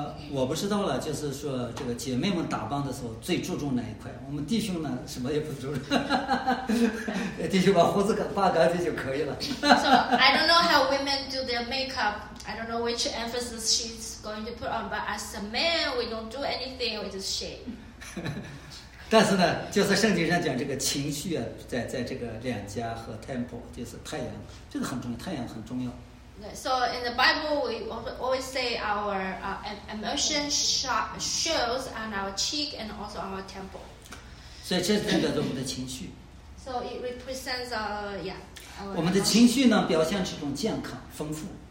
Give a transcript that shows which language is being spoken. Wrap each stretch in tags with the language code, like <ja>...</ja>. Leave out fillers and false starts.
<zh>我不知道了，就是说这个姐妹们打扮的时候最注重哪一块？我们弟兄呢，什么也不注重，弟兄把胡子刮干净就可以了。</zh> <en>So I don't know how women do their makeup. I don't know which emphasis she's going to put on. But as a man, we don't do anything. We just shave.</en> <zh>但是呢，就是圣经上讲这个情绪啊，在这个两家和 temple， 就是太阳，这个很重要，太阳很重要。</zh> <en>So in the Bible, we always say our emotion shows on our cheek and also our temple.</en> <zh>所以这代表着我们的情绪。</zh> <en>So it represents our</en> <zh>我们的情绪呢，表现是一种健康、丰富。</zh>